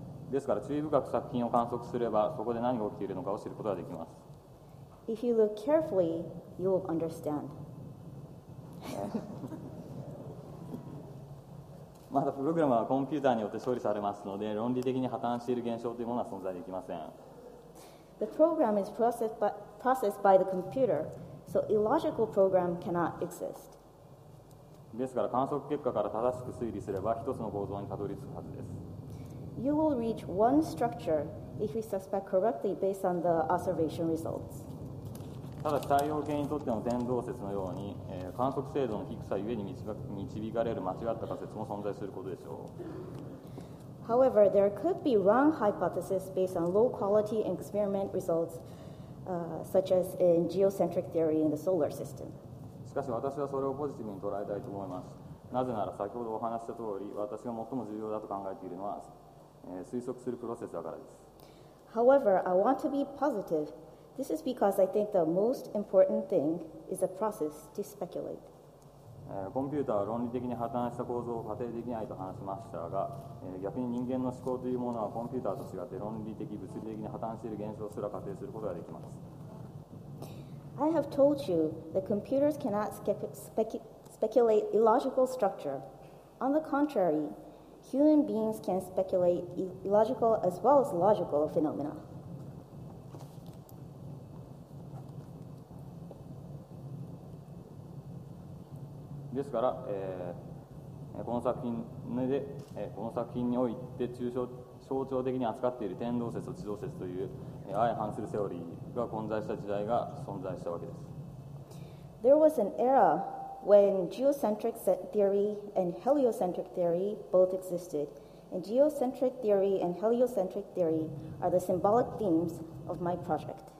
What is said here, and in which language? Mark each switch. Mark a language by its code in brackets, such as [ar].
[ja] ですから、注意深く作品を観測すれば、そこで何が起きているのかを知ることができます。 [en] If you look carefully, you will understand. [ja] まだプログラムはコンピューターによって処理されますので、論理的に破綻している現象というものは存在できません。 [en] The program is processed by the computer, so illogical program cannot exist. [ja] ですから観測結果から正しく推理すれば一つの構造にたどり着くはずです。 [en] You will reach one structure if you suspect correctly based on the observation results. [ja] ただ太陽系にとっての天動説のように、観測精度の低さゆえに導かれる間違った仮説も存在することでしょう。 [en] However, there could be wrong hypothesis based on low quality experiment results, such as in geocentric theory in the solar system. [ja] しかし私はそれをポジティブに捉えたいと思います。なぜなら先ほどお話した通り、私が最も重要だと考えているのは、推測するプロセスだからです。 [en] However, I want to be positive This is because I think the most important thing is a process to speculate. [ja] コンピューターは論理的に破綻した構造を仮定できないと話しましたが、逆に人間の思考というものはコンピューターと違って論理的、物理的に破綻している現象すら仮定することができます。 [en] I have told you that computers cannot speculate illogical structure. On the contrary, human beings can speculate illogical as well as logical phenomena. [ja] ですから、この作品で、この作品において抽象、象徴的に扱っている天動説と地動説という相反するセオリーが混在した時代が存在したわけです。 [en] There was an era when geocentric theory and heliocentric theory both existed, and geocentric theory and heliocentric theory are the symbolic themes of my project.